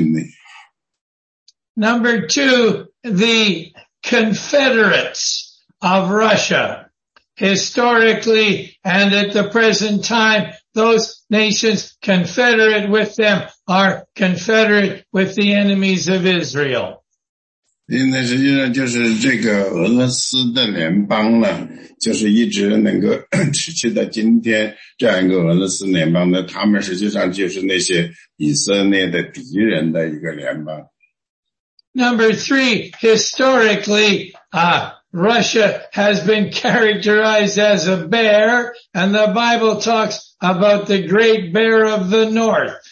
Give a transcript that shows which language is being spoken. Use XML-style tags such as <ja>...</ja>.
<zh>那其中一个呢，就是说那些高高高高和美美格，他们这些呢，或者是代表着人，或者是代表国家呢，他们今天呢，就是在那个俄罗斯的境内。</zh> <en>Number two, the Confederates of Russia. Historically and at the present time, those nations confederate with them are confederate with the enemies of Israel.</en> <zh>因为实际上就是这个俄罗斯的联邦呢，就是一直能够持续到今天这样一个俄罗斯联邦呢，他们实际上就是那些以色列的敌人的一个联邦。</zh> <en>Number three, historically, Russia has been characterized as a bear, and the Bible talks about the great bear of the north.</en>